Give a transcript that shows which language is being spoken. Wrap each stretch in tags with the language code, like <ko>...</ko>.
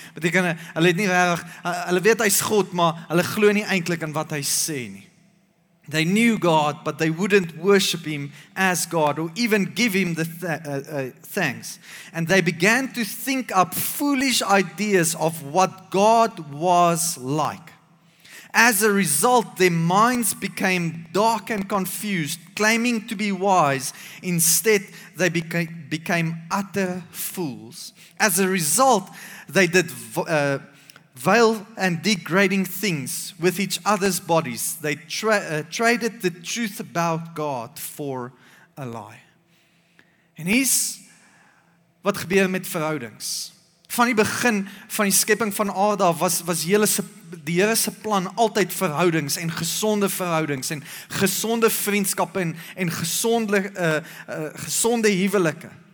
<af>Beteken hulle het nie regtig hulle weet hy's God, maar hulle glo nie eintlik in wat hy sê nie.</af> <en>They knew God, but they wouldn't worship him as God or even give him the thanks. And they began to think up foolish ideas of what God was like. As a result, their minds became dark and confused, claiming to be wise. Instead, they became utter fools. As a result, they did vile and degrading things with each other's bodies. They traded the truth about God for a lie.</en> <af>En hier's wat gebeur met verhoudings. Van die begin van die skepping van Aarde was die Here se plan altyd verhoudings en gesonde verhoudings en gesonde vriendskappe en gesonde huwelike.</af>